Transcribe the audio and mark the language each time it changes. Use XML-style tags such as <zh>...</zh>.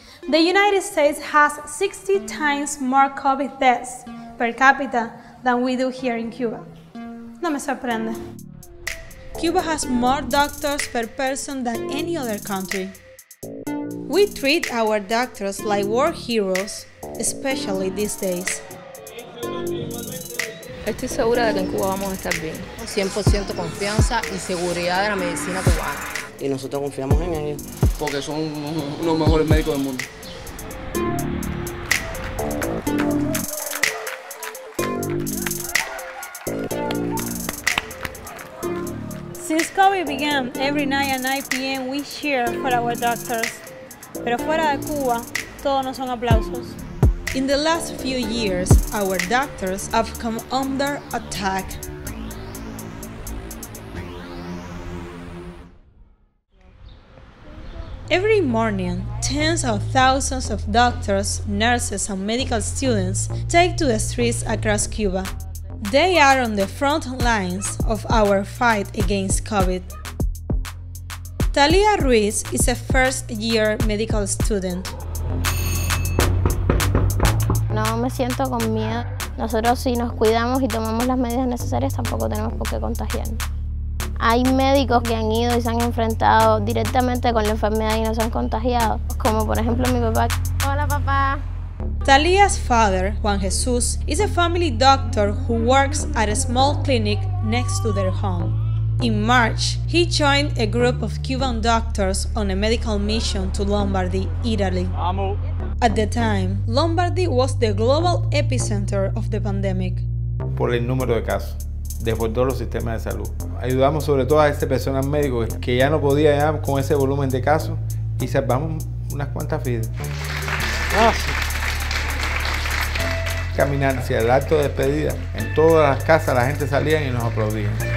<en>The United States has 60 times more COVID deaths per capita than we do here in Cuba.</en> <es>No me sorprende.</es> <en>Cuba has more doctors per person than any other country. We treat our doctors like war heroes, especially these days.</en> <es>Estoy segura de que en Cuba vamos a estar bien. 100% confianza y seguridad de la medicina cubana. Y nosotros confiamos en ellos. Porque son los mejores médicos del mundo.</es> <en>Since COVID began, every night at 9 p.m. we cheer for our doctors.</en> <es>Pero fuera de Cuba, todos no son aplausos.</es> <en>In the last few years, our doctors have come under attack. Every morning, tens of thousands of doctors, nurses, and medical students take to the streets across Cuba. They are on the front lines of our fight against COVID. Talia Ruiz is a first-year medical student.</en> <es>No me siento con miedo. Nosotros si nos cuidamos y tomamos las medidas necesarias, tampoco tenemos por qué contagiarnos. Hay médicos que han ido y se han enfrentado directamente con la enfermedad y no se han contagiado, como por ejemplo mi papá. Hola, papá.</es> <en>Talia's father, Juan Jesús, is a family doctor who works at a small clinic next to their home. In March, he joined a group of Cuban doctors on a medical mission to Lombardy, Italy. At the time, Lombardy was the global epicenter of the pandemic.</en> <es>Por el número de casos. Desbordó los sistemas de salud. Ayudamos sobre todo a este personal médico que ya no podía ya con ese volumen de casos y salvamos unas cuantas vidas. Gracias. Caminar hacia el acto de despedida. En todas las casas la gente salía y nos aplaudía.</es>